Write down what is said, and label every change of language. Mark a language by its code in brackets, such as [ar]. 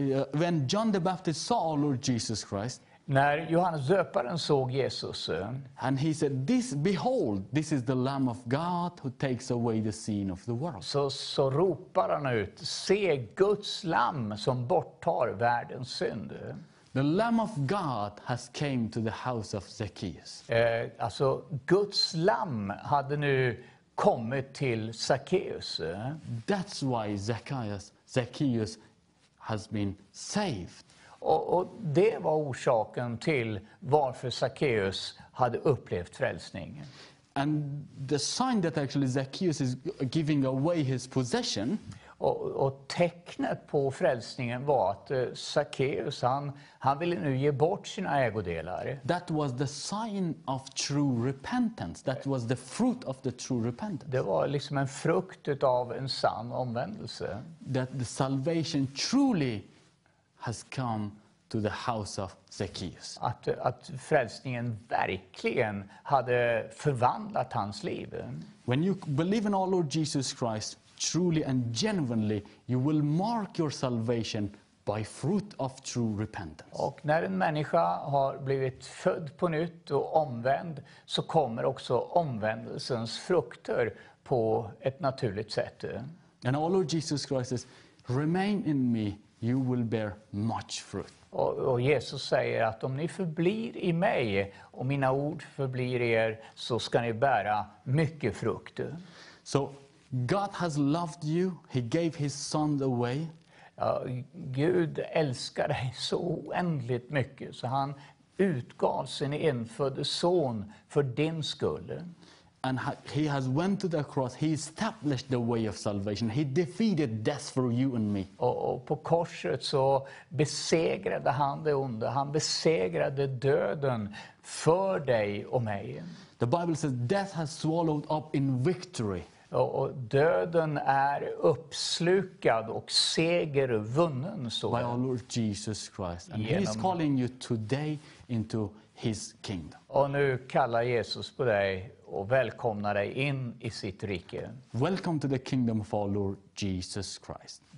[en] When John the Baptist saw our Lord Jesus Christ, [sv] när Johannes döparen såg Jesus, [en] and he said, "This, behold, this is the Lamb of God who takes away the sin of the world." [sv] Så ropar han ut, "Se Guds lamm som borttar världens synd." [en] The Lamb of God has came to the house of Zacchaeus. [sv] Alltså Guds lamm hade nu kommit till Zacchaeus. [en] That's why Zacchaeus has been saved. [sv] Och det var orsaken till varför Zacchaeus hade upplevt frälsning. [en] And the sign that actually Zacchaeus is giving away his possession. [sv] Och tecknet på frälsningen var att Zacchaeus han ville nu ge bort sina ägodelar. [en] That was the sign of true repentance. That was the fruit of the true repentance. [sv] Det var liksom en frukt utav en sann omvändelse. [en] That the salvation truly has come to the house of Zacchaeus. [sv] Att frälsningen verkligen hade förvandlat hans liv. [en] When you believe in our Lord Jesus Christ truly and genuinely, you will mark your salvation by fruit of true repentance. [sv] Och när en människa har blivit född på nytt och omvänd, så kommer också omvändelsens frukter på ett naturligt sätt. [en] And our Lord Jesus Christ says, "Remain in me, you will bear much fruit." [sv] Och Jesus säger att om ni förblir i mig och mina ord förblir i er, så ska ni bära mycket frukt. [en] So God has loved you. He gave his son away. [sv] Gud älskar dig så oändligt mycket så han utgav sin enfödde son för din skull. [en] And he has went to the cross. He established the way of salvation. He defeated death for you and me. [sv] Och på korset så besegrade han det onda. Han besegrade döden för dig och mig. [en] The Bible says death has swallowed up in victory. [sv] Och döden är uppslukad och seger vunnen, så [en] by our Lord Jesus Christ, and he is calling you today into his kingdom. [sv] Och nu kallar Jesus på dig och välkomnar dig in i sitt rike. [en] Welcome to the kingdom of our Lord Jesus Christ.